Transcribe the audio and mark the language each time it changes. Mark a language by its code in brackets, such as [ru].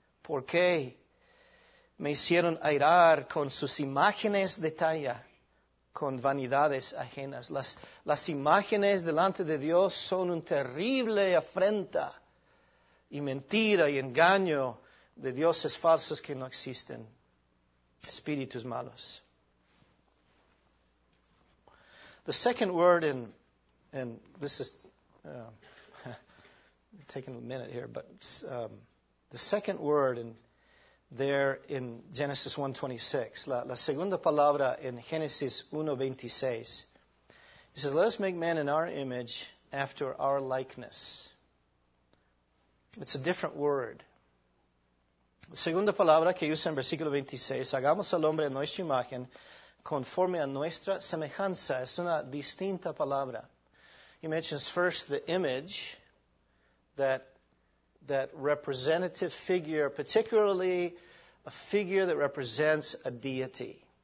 [es] ¿Por qué me hicieron airar con sus imágenes de talla, con vanidades ajenas? Las imágenes delante de Dios son una terrible afrenta y mentira y engaño de dioses falsos que no existen, espíritus malos. [en] The second word and this is taking a minute here, but the second word in there in Genesis 1:26, [es] la segunda palabra en Genesis 1:26, [en] it says, let us make man in our image after our likeness. It's a different word. [es] La segunda palabra que usa en versículo 26, hagamos al hombre a nuestra imagen, conforme a nuestra semejanza. Es una distinta palabra. [en] He mentions first the image, that representative figure, particularly a figure that represents a deity.